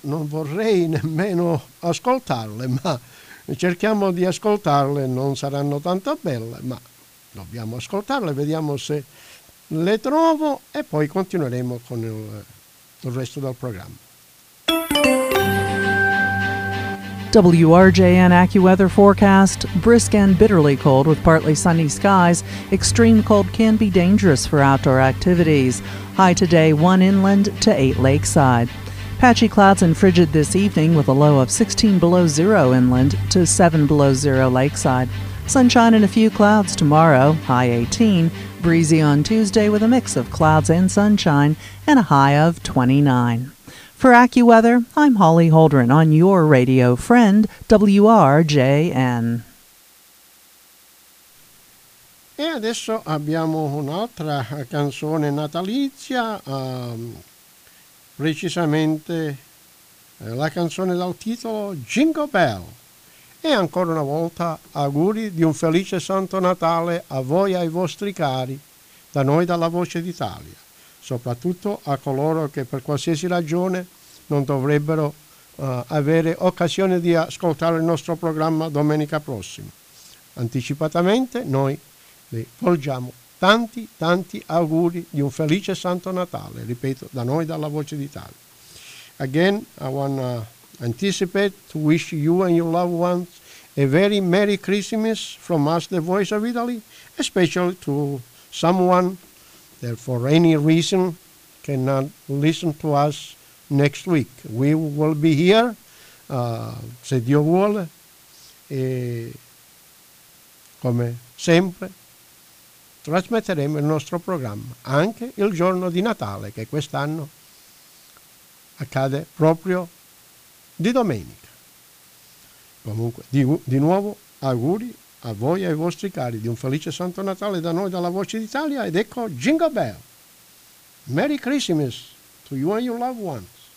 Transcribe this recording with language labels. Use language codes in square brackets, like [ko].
[it] Non vorrei nemmeno ascoltarle, ma cerchiamo di ascoltarle. Non saranno tanto belle, ma dobbiamo ascoltarle. Vediamo se le trovo e poi continueremo con il resto del programma. [en] WRJN AccuWeather forecast: brisk and bitterly cold with partly sunny skies. Extreme cold can be dangerous for outdoor activities. High today 1 inland to 8 lakeside. Patchy clouds and frigid this evening with a low of 16 below zero inland to 7 below zero lakeside. Sunshine and a few clouds tomorrow, high 18. Breezy on Tuesday with a mix of clouds and sunshine and a high of 29. For AccuWeather, I'm Holly Holdren on your radio friend, WRJN. [it] E adesso abbiamo un'altra canzone natalizia, precisamente la canzone dal titolo Jingle Bell. E ancora una volta auguri di un felice Santo Natale a voi e ai vostri cari, da noi dalla Voce d'Italia, soprattutto a coloro che per qualsiasi ragione non dovrebbero avere occasione di ascoltare il nostro programma domenica prossima. Anticipatamente noi le porgiamo tanti, tanti auguri di un felice Santo Natale, ripeto, da noi dalla Voce d'Italia. [en] Again, I want to anticipate to wish you and your loved ones a very Merry Christmas from us, the Voice of Italy, especially to someone that for any reason cannot listen to us next week. We will be here, [it] se Dio vuole, e come sempre trasmetteremo il nostro programma anche il giorno di Natale, che quest'anno accade proprio di domenica. Comunque, di nuovo auguri a voi e ai vostri cari di un felice Santo Natale da noi dalla Voce d'Italia, ed ecco Jingle Bell. [en] Merry Christmas to you and your loved ones.